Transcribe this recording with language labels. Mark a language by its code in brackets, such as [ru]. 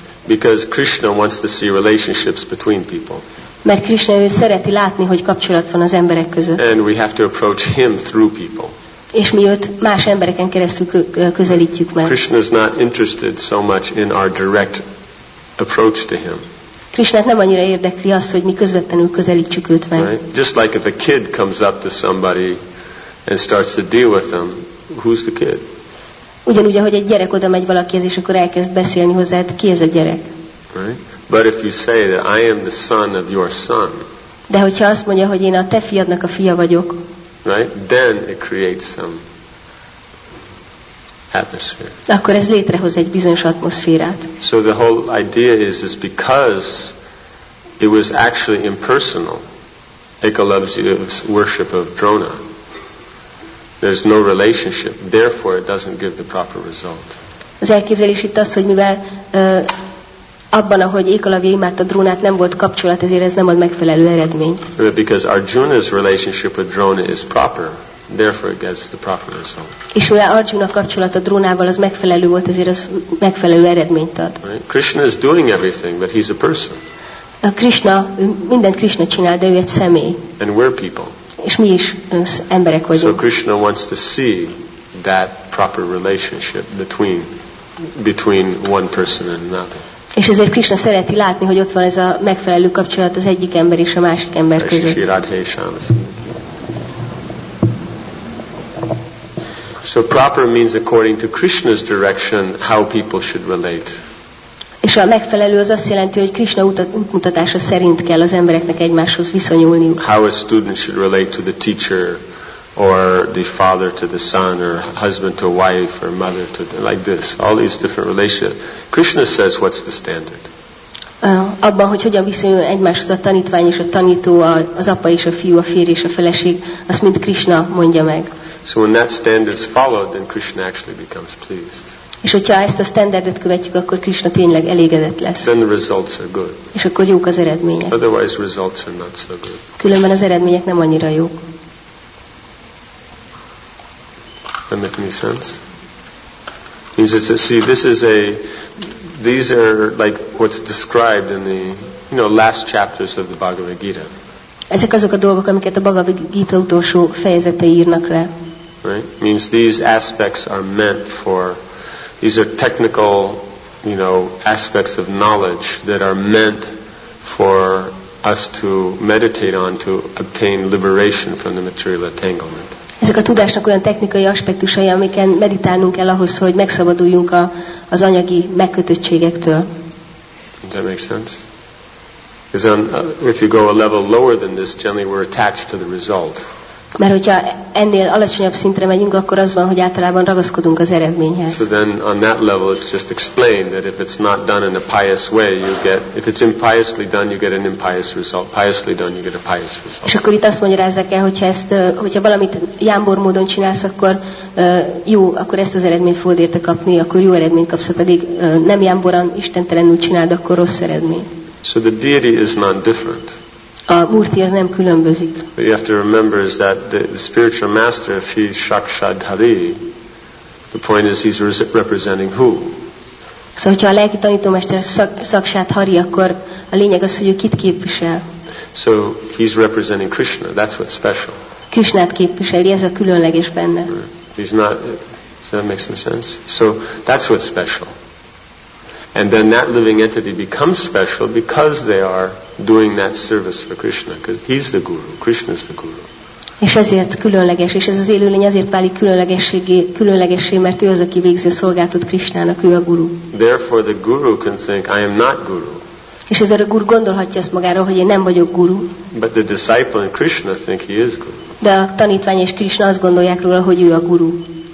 [en] Because Krishna wants to see relationships between people. [hu] Mert Krishna ő szereti látni, hogy kapcsolat van az emberek között. [en] And we have to approach him through people. [hu] És mi őt más embereken keresztül közelítjük meg. [en] Krishna is not interested so much in our direct approach to him. [hu] Krishna nem annyira érdekli az, hogy mi közvetlenül közelítsük őt meg. [en] Right? Just like if a kid comes up to somebody and starts to deal with them, who's the kid? [hu] Ugyanúgy, ahogy egy gyerek oda megy valakihez, és akkor elkezd beszélni hozzád, ki ez a gyerek? [en] Right? But if you say that I am the son of your son. [hu] De hogyha azt mondja, hogy én a te fiadnak a fia vagyok. [en] Right? Then it creates some atmosphere. [hu] Akkor ez létrehoz egy bizonyos atmoszférát. [en] So the whole idea is because it was actually impersonal. Ekalavasya's worship of Drona. There's no relationship, therefore it doesn't give the proper result. [hu] Az elképzelés itt az, hogy mivel abban, ahogy Ékalavja imádta Drónát, nem volt kapcsolat, ezért ez nem ad megfelelő eredményt. [en] Because Arjuna's relationship with Drona is proper, therefore it gets the proper result. [hu] És mivel Arjuna kapcsolata Drónával az megfelelő volt, ezért az megfelelő eredményt ad. [en] Right? Krishna is doing everything, but he's a person. [hu] A Krishna, mindent Krishna csinál, de ő egy személy. [en] And we're people. [hu] És mi is emberek vagyunk. [en] So Krishna wants to see that proper relationship between one person and another. [hu] És ezért Krishna szereti látni, hogy ott van ez a megfelelő kapcsolat az egyik ember és a másik ember között. [en] So proper means according to Krishna's direction how people should relate. [hu] És a megfelelő az azt jelenti, hogy Krishna útmutatása szerint kell az embereknek egymáshoz viszonyulni. [en] How a student should relate to the teacher, or the father to the son, or husband to wife, or mother to the, like this. All these different relationships. Krishna says what's the standard. [hu] Abban, hogy hogyan viszonyul egymáshoz a tanítvány és a tanító, az apa és a fiú, a férj és a feleség, azt mind Krishna mondja meg. [en] So when that standard is followed, then Krishna actually becomes pleased. [hu] És hogyha ezt a standardet követjük, akkor Krishna tényleg elégedett lesz. [en] Then the results are good. [hu] És akkor jók az eredmények. [en] Otherwise results are not so good. [hu] Különben az eredmények nem annyira jók. [en] That make any sense? Means it's a, see, this is a, these are like what's described in the, you know, last chapters of the Bhagavad Gita. Ezek azok a dolgok, amiket a Bhagavad Gita utolsó fejezetei írnak le. Right? Means these aspects are meant for. These are technical, you know, aspects of knowledge that are meant for us to meditate on to obtain liberation from the material entanglement. [hu] Ezek a tudásnak olyan technikai aspektusai, amiken meditálnunk kell ahhoz, hogy megszabaduljunk az anyagi megkötöttségektől. [en] Does that make sense? Because then, if you go a level lower than this, generally we're attached to the result. [hu] Mert hogyha ennél alacsonyabb szintre megyünk, akkor az van, hogy általában ragaszkodunk az eredményhez. [en] So then on that level it's just explained that if it's not done in a pious way, you get, if it's impiously done, you get an impious result. Piously done, you get a pious result. [hu] És akkor itt azt magyarázzák el, hogyha ezt, hogyha valamit jámbor módon csinálsz, akkor jó, akkor ezt az eredményt fogod érte kapni, akkor jó eredményt kapsz, pedig nem jámboran, istentelenül csináld, akkor rossz eredményt. [en] So the deity is not different. [hu] A Murti az nem különbözik. [en] What you have to remember is that the spiritual master, if he's Shakshad Hari, the point is he's representing who? [hu] Szóval, hogyha a lelki tanítómester Shakshad Hari, akkor a lényeg az, hogy ő kit képvisel. [en] So he's representing Krishna. That's what's special. [hu] Krishnát képviseli, ez a különleges benne. [en] He's not, so that makes some sense. So that's what's special. And then that living entity becomes special because they are doing that service for Krishna, because he's the guru, Krishna's the guru. [hu] És ezért különleges, és ez az élőlény azért válik különlegessé, mert ő az, aki végzi a szolgálatot Krishnának, ő a guru. [en] Therefore the guru can think, I am not guru. [hu] És ezért a guru gondolhatja ezt magáról, hogy én nem vagyok guru. [en] But the disciple and Krishna think he is guru. [hu] De a tanítvány és Krishna azt gondolják róla, hogy ő a guru.